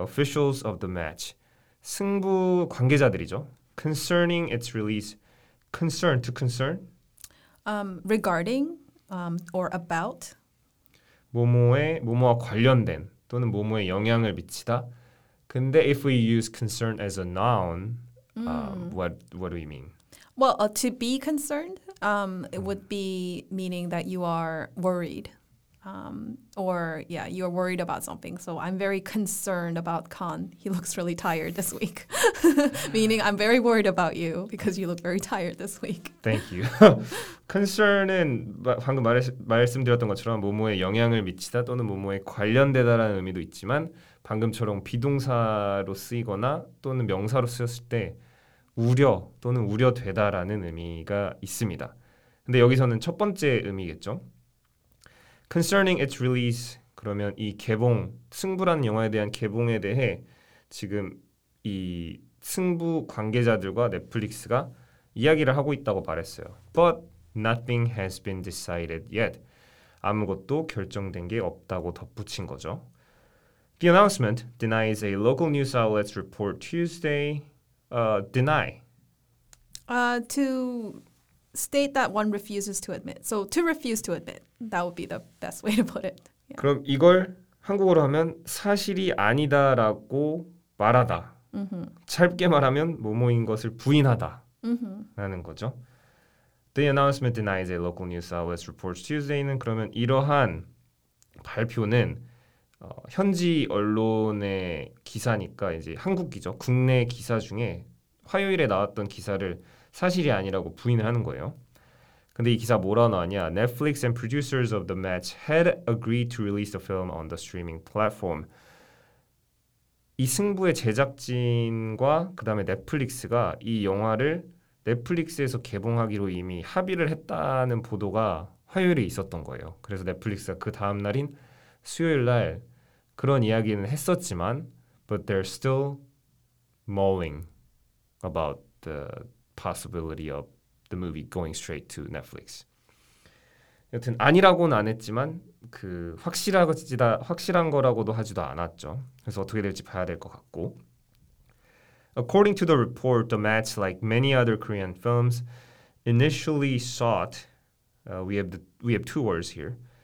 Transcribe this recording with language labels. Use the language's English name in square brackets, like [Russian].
[English] Officials of the match. [Korean] 승부 관계자들이죠. [English] Concerning its release. Concern to concern? Regarding? Or about [Korean] 뭐뭐에 뭐뭐와 관련된 또는 뭐뭐에 영향을 미치다. [English] 근데 if we use concern as a noun, what do we mean? Well, to be concerned, it would be meaning that you are worried, you are worried about something. So I'm very concerned about Khan. He looks really tired this week. meaning I'm very worried about you because you look very tired this week. Thank you. [Korean] Concern은 방금 말씀드렸던 것처럼 뭐뭐에 영향을 미치다 또는 뭐뭐에 관련되다라는 의미도 있지만 방금처럼 비동사로 쓰이거나 또는 명사로 쓰였을 때 우려 또는 우려되다라는 의미가 있습니다. 근데 여기서는 첫 번째 의미겠죠. [English] Concerning its release, [Korean] 그러면 이 개봉, 승부라는 영화에 대한 개봉에 대해 지금 이 승부 관계자들과 넷플릭스가 이야기를 하고 있다고 말했어요. [English] But nothing has been decided yet. [Korean] 아무것도 결정된 게 없다고 덧붙인 거죠. [English] The announcement denies a local news outlet's report Tuesday. Deny. To state that one refuses to admit. So to refuse to admit. That would be the best way to put it. Yeah. [Korean] 그럼 이걸 한국어로 하면 사실이 아니다라고 말하다. Mm-hmm. 짧게 말하면 뭐뭐인 것을 부인하다. Mm-hmm. 라는 거죠. [English] The announcement denies a local news outlet's report Tuesday [Korean] 는 그러면 이러한 발표는 현지 언론의 기사니까 이제 한국이죠. 국내 기사 중에 화요일에 나왔던 기사를 사실이 아니라고 부인을 하는 거예요. 근데 이 기사 뭐라 나왔냐. [English] Netflix and producers of the match had agreed to release the film on the streaming platform. [Korean] 이 승부의 제작진과 그 다음에 넷플릭스가 이 영화를 넷플릭스에서 개봉하기로 이미 합의를 했다는 보도가 화요일에 있었던 거예요. 그래서 넷플릭스가 그 다음 날인 수요일 날 그런 이야기는 했었지만 [English] but they're still mulling about the possibility of the movie going straight to Netflix. [Korean] 여튼 아니라고는 안 했지만 그 확실한 거라고도 하지도 않았죠. 그래서 어떻게 될지 봐야 될 것 같고. [English] According to the report, the match, like many other Korean films, initially sought we have two words here.